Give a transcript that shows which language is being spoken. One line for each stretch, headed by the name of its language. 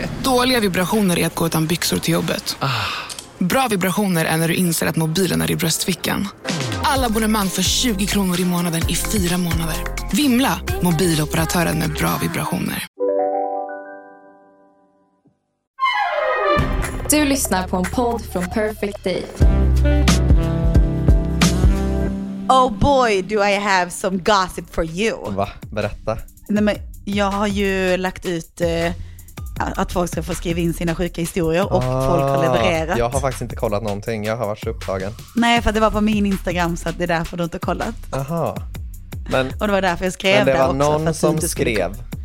Swedish: Dåliga vibrationer är att gå utan byxor till jobbet. Bra vibrationer är när du inser att mobilen är i bröstfickan. Alla abonnemang för 20 kronor i månaden i 4 månader. Vimla, mobiloperatören med bra vibrationer. Du lyssnar på en podd från Perfect Day.
English: Oh boy, do I have some gossip for you.
Swedish: Va? Berätta. Nej, men jag har ju lagt ut att folk ska få skriva in sina sjuka historier och folk har levererat. Jag har faktiskt inte kollat någonting, jag har varit så upptagen. Nej, för det var på min Instagram så det är därför du inte kollat. Aha. Men, och det var därför jag skrev det också. Men det var någon som skrev.